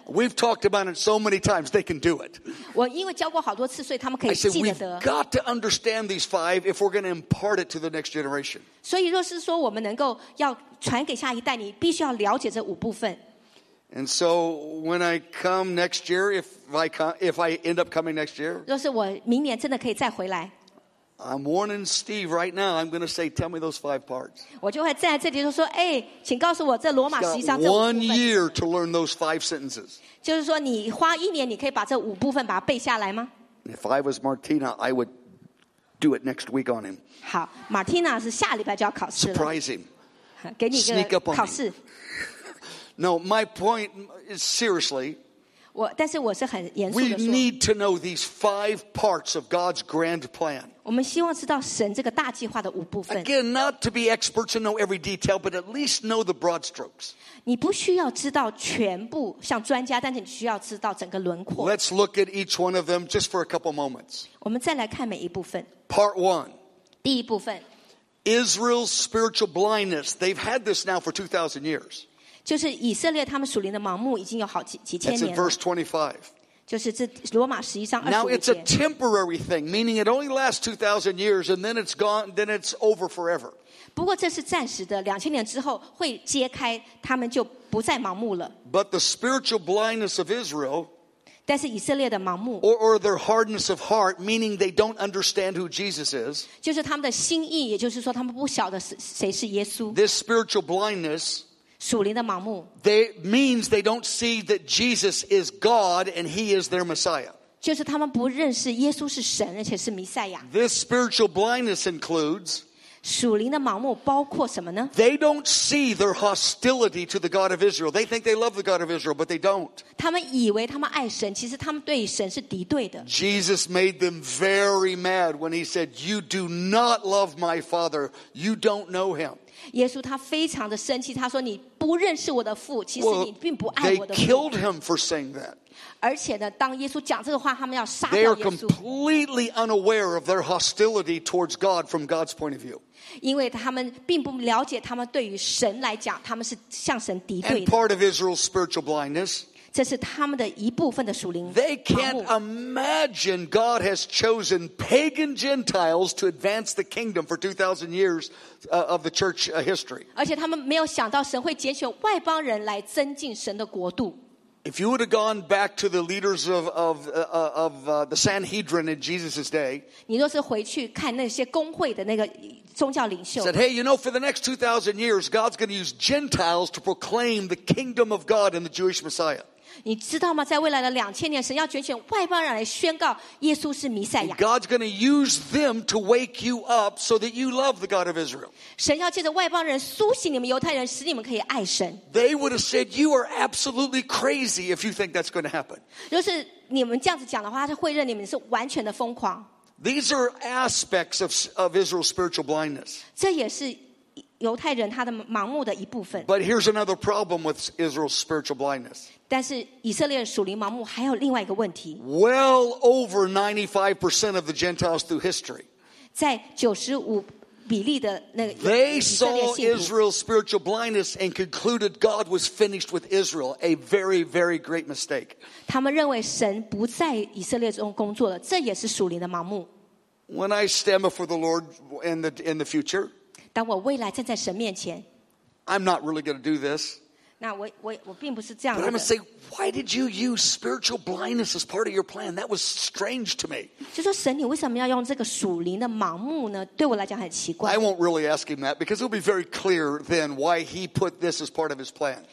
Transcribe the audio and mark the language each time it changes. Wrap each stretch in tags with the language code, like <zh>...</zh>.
<en>We've talked about it so many times, they can do it.</en> <zh>我因为教过好多次，所以他们可以记得。</zh> <en>I say, we've got to understand these five if we're going to impart it to the next generation.</en> <zh>所以若是说我们能够要传给下一代，你必须要了解这五部分。</zh> <en>And so when I come next year, if I end up coming next year,</en> <zh>若是我明年真的可以再回来，</zh> <en>I'm warning Steve right now. I'm going to say, tell me those five parts.</en> <zh>我就会站在这里就说，哎，请告诉我这罗马十一章这五部分。</zh> <en>One year to learn those five sentences.</en> <zh>就是说，你花一年，你可以把这五部分把它背下来吗</zh> <en>？If I was Martina, I would do it next week on him.</en> <zh>好 ，Martina 是下礼拜就要考试了。</zh> <en>Surprise him.</en> <zh>给你一个考试。</zh> <en>No, my point is seriously.</en> <zh>我但是我是很严肃的说。</zh> <en>We need to know these five parts of God's grand plan.</en> <zh>我们希望知道神这个大计划的五部分。</zh> <en>Again, not to be experts and know every detail, but at least know the broad strokes.</en> <zh>你不需要知道全部像专家，但你需要知道整个轮廓。</zh> <en>Let's look at each one of them just for a couple moments.</en> <zh>我们再来看每一部分。</zh> <en>Part one.</en> <zh>第一部分。</zh> <en>Israel's spiritual blindness. They've had this now for 2,000 years.</en> <zh>就是以色列他们属灵的盲目已经有好几千年了。</zh> <en>That's in verse 25.</en> <zh>就是这罗马十一章二十五节。</zh> <en>Now it's a temporary thing, meaning it only lasts 2,000 years, and then it's gone, then it's over forever.</en> <zh>不过这是暂时的，两千年之后会揭开，他们就不再盲目了。</zh> <en>But the spiritual blindness of Israel.</en> <zh>但是以色列的盲目。</zh> <en>Or their hardness of heart, meaning they don't understand who Jesus is.</en> <zh>就是他们的心意，也就是说他们不晓得谁是耶稣。</zh> <en>This spiritual blindness.</en> <zh>属灵的盲目。</zh> <en>They means they don't see that Jesus is God and he is their Messiah.</en> <zh>就是他们不认识耶稣是神，而且是弥赛亚。</zh> <en>This spiritual blindness includes.</en> <zh>属灵的盲目包括什么呢？</zh> <en>They don't see their hostility to the God of Israel. They think they love the God of Israel, but they don't.</en> <zh>他们以为他们爱神，其实他们对神是敌对的。</zh> <en>Jesus made them very mad when he said, "You do not love my Father. You don't know him."</en> <zh>耶稣他非常的生气，他说你不认识我的父，其实你并不爱我的父。</zh> <en>They killed him for saying that.</en> <zh>而且呢，当耶稣讲这个话，他们要杀掉耶稣。</zh> <en>They are completely unaware of their hostility towards God from God's point of view.</en> <zh>因为他们并不了解，他们对于神来讲，他们是向神敌对的。</zh> <en>And part of Israel's spiritual blindness.</en> <zh>这是他们的一部分的属灵。</zh> <en>They can't imagine God has chosen pagan Gentiles to advance the kingdom for 2,000 years of the church history.</en> <zh>而且他们没有想到神会拣选外邦人来增进神的国度。</zh> <en>If you would have gone back to the leaders of the Sanhedrin in Jesus' day,</en> <zh>你若是回去看那些公会的那个宗教领袖</zh> <en>said, hey, you know, for the next 2,000 years, God's going to use Gentiles to proclaim the kingdom of God and the Jewish Messiah.</en> <zh>你知道吗？在未来的两千年，神要拣选外邦人来宣告耶稣是弥赛亚。</zh> <en>And God's going to use them to wake you up so that you love the God of Israel.</en> <zh>神要借着外邦人苏醒你们犹太人，使你们可以爱神。</zh> <en>They would have said, you are absolutely crazy if you think that's going to happen.</en> <zh>若是你们这样子讲的话，他会认你们是完全的疯狂。</zh> <en>These are aspects of Israel's spiritual blindness.</en> <zh>这也是犹太人他的盲目的一部分。</zh> <en>But here's another problem with Israel's spiritual blindness.</en> <zh>但是以色列的属灵盲目还有另外一个问题。</zh> <en>Well over 95% of the Gentiles through history.</en> <zh>在95比例的那个。</zh> <en>They saw Israel's spiritual blindness and concluded God was finished with Israel. A very, very great mistake.</en> <zh>他们认为神不在以色列中工作了，这也是属灵的盲目。</zh> <en>When I stand before the Lord in the future,</en> <zh>当我未来站在神面前</zh> <en>I'm not really going to do this.</en> <zh>那我并不是这样的。</zh> <en>But I'm going to say, why did you use spiritual blindness as part of your plan? That was strange to me.</en> <zh>就说神，你为什么要用这个属灵的盲目呢？对我来讲很奇怪。</zh> <en>I won't really ask him that because it'll be very clear then why he put this as part of his plan.</en>